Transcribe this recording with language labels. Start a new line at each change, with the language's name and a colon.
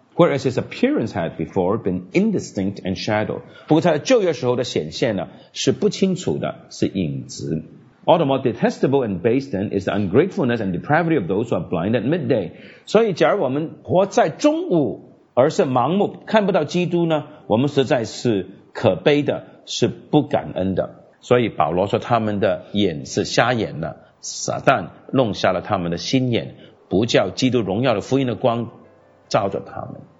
English: Whereas his appearance had before been indistinct and shadow.
Chinese: 不过他在旧约时候的显现呢，是不清楚的，是影子。
English: All the more detestable and base then is the ungratefulness and depravity of those who are blind at midday.
Chinese: 所以假如我们活在中午而是盲目，看不到基督呢，我们实在是可悲的，是不感恩的。所以保罗说他们的眼是瞎眼的，撒旦弄瞎了他们的心眼，不叫基督荣耀的福音的光照着他们。